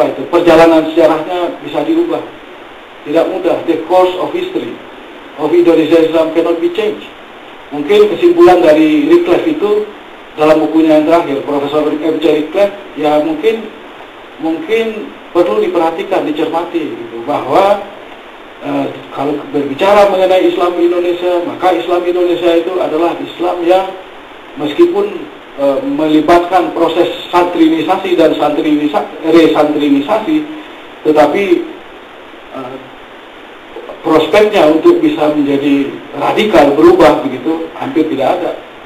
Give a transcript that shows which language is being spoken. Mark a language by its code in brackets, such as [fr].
[id] Perjalanan sejarahnya bisa diubah. Tidak mudah. [en] The course of history of Indonesian Islam cannot be changed. [id] Mungkin kesimpulan dari Wycliffe itu dalam bukunya yang terakhir, Profesor F.J. Wycliffe, ya mungkin perlu diperhatikan, dicermati, gitu, bahwa kalau berbicara mengenai Islam Indonesia, maka Islam Indonesia itu adalah Islam yang meskipun melibatkan proses santrinisasi dan resantrinisasi, tetapi prospeknya untuk bisa menjadi radikal berubah begitu hampir tidak ada.